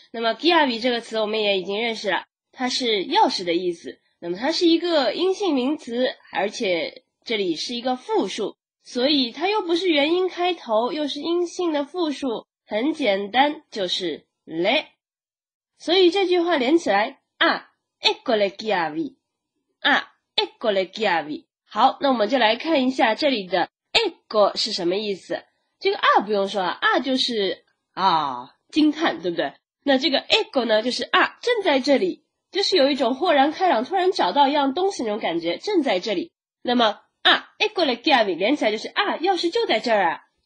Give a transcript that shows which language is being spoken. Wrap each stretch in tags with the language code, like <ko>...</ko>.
<zh>那么 Chiavi 这个词我们也已经认识了，它是钥匙的意思。那么它是一个阴性名词，而且这里是一个复数，所以它又不是元音开头，又是阴性的复数，很简单，就是 le。所以这句话连起来，</zh> <it>ecco le chiavi， ecco le chiavi。</it> <zh>好，那我们就来看一下这里的 ecco 是什么意思。这个 啊 不用说了， 啊 就是啊，惊叹，对不对？那这个 ecco 呢就是啊，正在这里，就是有一种豁然开朗，突然找到一样东西那种感觉，正在这里。那么啊</zh> <it>ecco le chiavi</it> <zh>连起来就是啊，钥匙就在这儿啊。</zh>